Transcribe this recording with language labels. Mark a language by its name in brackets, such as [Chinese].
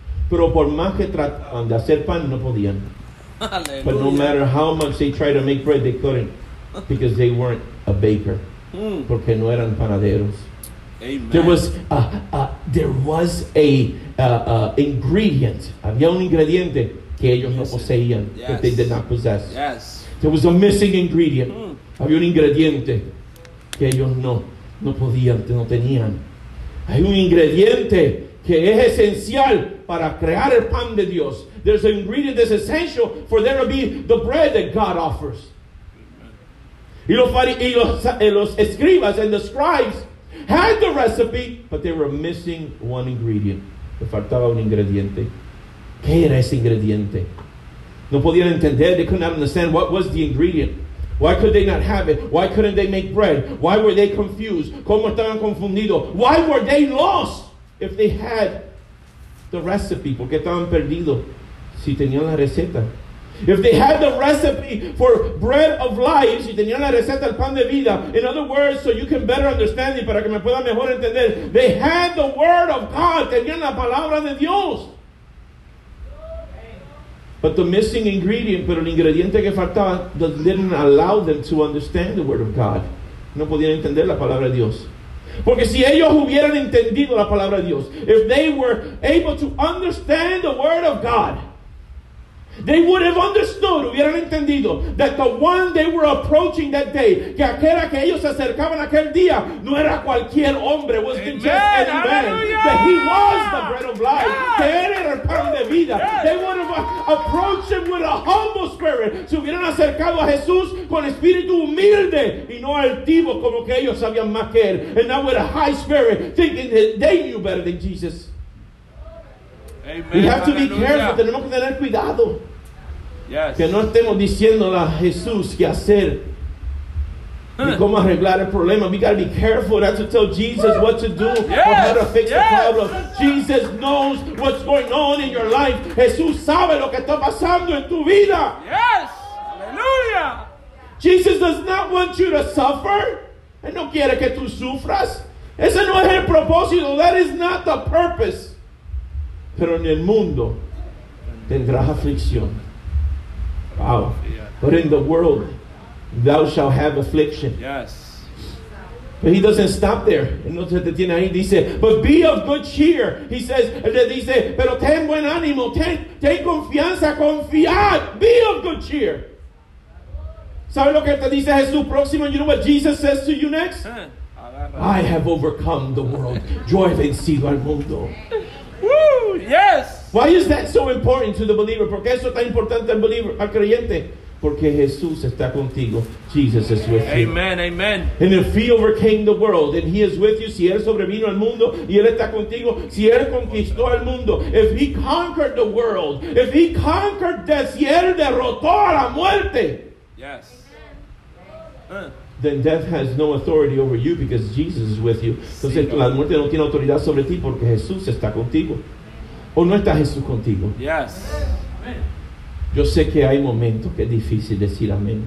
[Spanish] Pero por más que trataban de hacer pan, no podían. [English] Hallelujah. But no matter how much they tried to make bread, they couldn't. Because they weren't a baker. Mm. [Spanish] Porque no eran panaderos. [English] Amen. There was an ingredient. [Spanish] Había un ingrediente. Que ellos no poseían, [English] yes. That they did not possess. Yes. There was a missing ingredient. Mm. [Spanish] Había un ingrediente que ellos no podían, que no tenían. Hay un ingrediente que es esencial para crear el pan de Dios. [English] There's an ingredient that's essential for there to be the bread that God offers. [Spanish] Y los escribas [English] and the scribes had the recipe, but they were missing one ingredient. [Spanish] Le faltaba un ingrediente. ¿Qué era ese ingrediente? No podían entender. [English] They could not understand what was the ingredient. Why could they not have it? Why couldn't they make bread? Why were they confused? [Spanish] ¿Cómo estaban confundidos? [English] Why were they lost if they had the recipe? [Spanish] ¿Por qué estaban perdidos si tenían la receta? [English] If they had the recipe for bread of life, [Spanish] si tenían la receta del pan de vida, [English] in other words, so you can better understand it, [Spanish] para que me pueda mejor entender, [English] they had the word of God, [Spanish] tenían la palabra de Dios. [English] But the missing ingredient, [Spanish] pero el ingrediente que faltaba, [English] didn't allow them to understand the word of God. [Spanish] No podían entender la palabra de Dios. Porque si ellos hubieran entendido la palabra de Dios, [English] if they were able to understand the word of God, they would have understood, [Spanish] hubieran entendido, that the one they were approaching that day, que aquel a que ellos se acercaban aquel día, no era cualquier hombre, [English] was amen, just any man. That he was the bread of life. Yes. [Spanish] Que él era el pan de vida. [English] Yes. They would have approached him with a humble spirit. [Spanish] Se hubieran acercado a Jesús con espíritu humilde y no altivo como que ellos sabían más que él. [English] And not with a high spirit, thinking that they knew better than Jesus. Amen. We have to Hallelujah. Be careful. [Spanish] Tenemos que tener cuidado. [English] Yes. [Spanish] Que no estemos diciéndole a Jesús qué hacer. Huh. Y cómo arreglar el problema. [English] We got to be careful not to tell Jesus what to do yes. or how to fix yes. the problem. Jesus knows what's going on in your life. [Spanish] Jesús sabe lo que está pasando en tu vida. [English] Yes. Hallelujah. Jesus does not want you to suffer. [Spanish] Él no quiere que tú sufras. Ese no es el propósito. [English] That is not the purpose. [Spanish] Pero en el mundo tendrás aflicción. Wow. [English] Yeah. But in the world, thou shalt have affliction. Yes. But he doesn't stop there. [Spanish] No se detiene ahí. Dice, [English] but be of good cheer. He says, [Spanish] dice, pero ten buen ánimo. Ten confianza, confiad. [English] Be of good cheer. [Spanish] ¿Sabe lo que te dice Jesús próximo? [English] You know what Jesus says to you next? I have overcome the world. [Spanish] Yo he vencido al mundo. [English] Woo, yes. Why is that so important to the believer? [Spanish] ¿Por qué eso es tan importante al believer, al creyente? Porque Jesús está contigo. [English] Jesus is with you. Amen, amen. And if he overcame the world, then he is with you. [Spanish] Si él sobrevino al mundo, y él está contigo. Si él conquistó al mundo. [English] If he conquered the world. [Spanish] If he conquered death. Si él derrotó a la muerte. [English] Yes. Then death has no authority over you because Jesus is with you. [Spanish] Entonces la muerte no tiene autoridad sobre ti porque Jesús está contigo. ¿O no está Jesús contigo? [English] Yes. [Spanish] Yo sé que hay momentos que es difícil decir amén.